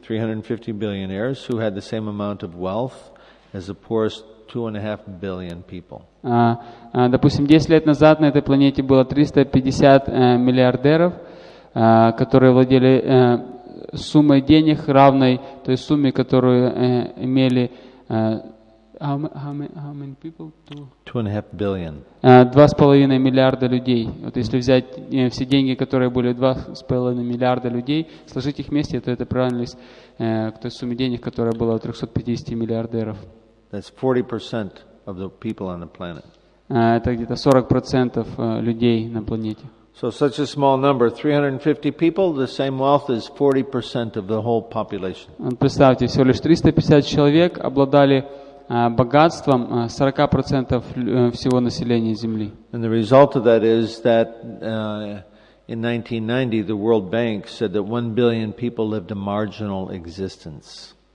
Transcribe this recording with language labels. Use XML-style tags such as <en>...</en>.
<en>350 billionaires who had the same amount of wealth as the poorest 2.5 billion people.</en> <ru>Допустим, 10 лет назад на этой планете было 350 миллиардеров, которые владели суммой денег равной той сумме, которую имели.</ru> <en>How many people? Two and a half billion.</en> <ru>2.5 миллиарда людей. Вот если взять все деньги, которые были 2.5 миллиарда людей, сложить их вместе, то это приравнялось к той сумме денег, которая была у 350 миллиардеров.</ru> <en>That's 40% of the people on the planet.</en> <ru>Это где-то 40% людей на планете.</ru> <en>So such a small number, 350 people, the same wealth as 40% of the whole population.</en> <ru>Представьте, всего лишь 350 человек обладали богатством 40% всего населения Земли.</ru> <en>And the result of that is that in 1990, the World Bank said that 1 billion people lived a marginal existence.</en>